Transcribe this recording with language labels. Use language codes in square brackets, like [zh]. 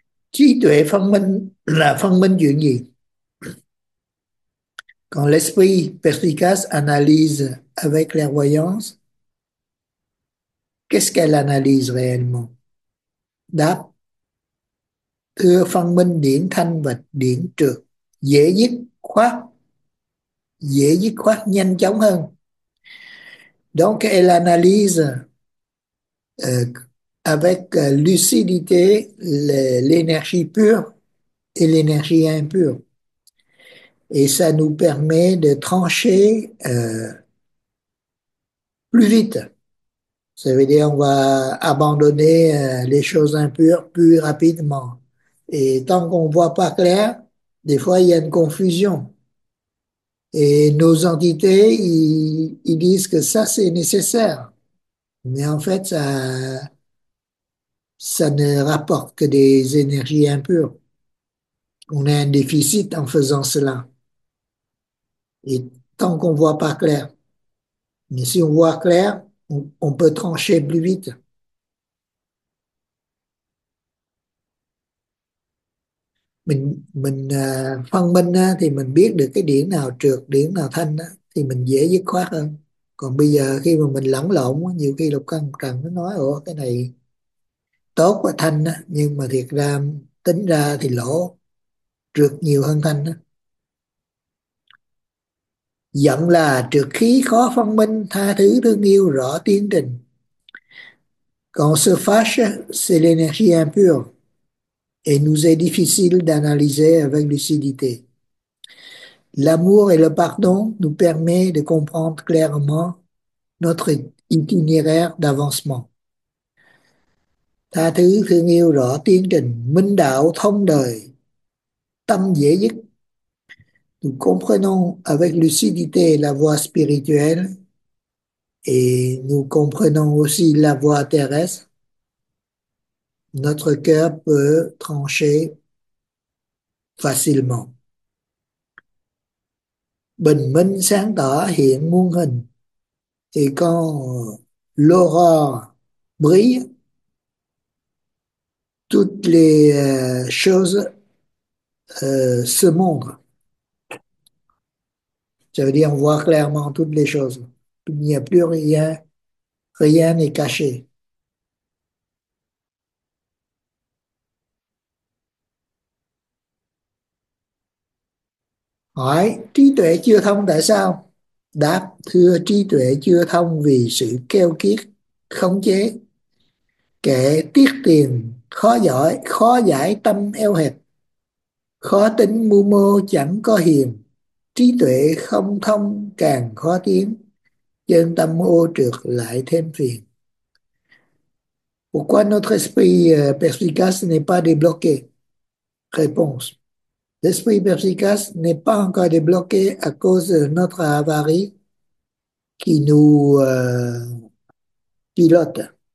[vi] Trí tuệ phân minh là phân minh chuyện gì? [fr] Quand l'esprit perspicace analyse avec clairvoyance, qu'est-ce qu'elle analyse réellement? [vi] Đáp, thưa phân minh điển thanh và điển trược, dễ dứt khoát nhanh chóng hơn. [fr] Donc elle analyse avec lucidité l'énergie pure et l'énergie impure. Et ça nous permet de trancher plus vite. Ça veut dire on va abandonner les choses impures plus rapidement. Et tant qu'on ne voit pas clair, des fois il y a une confusion. Et nos entités, ils disent que ça, c'est nécessaire. Mais en fait, ça ne rapporte que des énergies impures. On a un déficit en faisant cela. Et tant qu'on ne voit pas clair. Mais si on voit clair, on peut trancher plus vite. [vi] Mình phân minh thì mình biết được cái điểm nào trược, điểm nào thanh thì mình dễ dứt khoát hơn. Còn bây giờ khi mà mình lẫn lộn, nhiều khi lục căn trần nó nói ủa cái này tốt và thanh nhưng mà thiệt ra tính ra thì lỗ, trược nhiều hơn thanh. Giận là trược khí khó phân minh, tha thứ thương yêu rõ tiến trình. Còn sự [fr] fâche, c'est l'énergie impure. Et nous est difficile d'analyser avec lucidité. L'amour et le pardon nous permettent de comprendre clairement notre itinéraire d'avancement. [vi] Tha thứ thương yêu rõ tiến trình, minh đạo thông đời, tâm dễ dứt. [fr] Nous comprenons avec lucidité la voie spirituelle et nous comprenons aussi la voie terrestre. Notre cœur peut trancher facilement. [vi] Bình minh sáng tỏ hiện muôn hình. [fr] Thì quand l'aurore brille, toutes les choses se montrent. Ça veut dire on voit clairement toutes les choses. Il n'y a plus rien, rien n'est caché. [vi] Hỏi trí tuệ chưa thông tại sao? Đáp, thưa trí tuệ chưa thông vì sự keo kiết khống chế, kẻ tiếc tiền khó giỏi, khó giải tâm eo hẹp, khó tính mưu mô chẳng có hiền, trí tuệ không thông càng khó tiến, chân tâm ô trược lại thêm phiền. [fr] Pourquoi notre esprit perspicace n'est pas débloqué? Réponse. L'esprit perspicace n'est pas encore débloqué à cause de notre avarie qui nous pilote.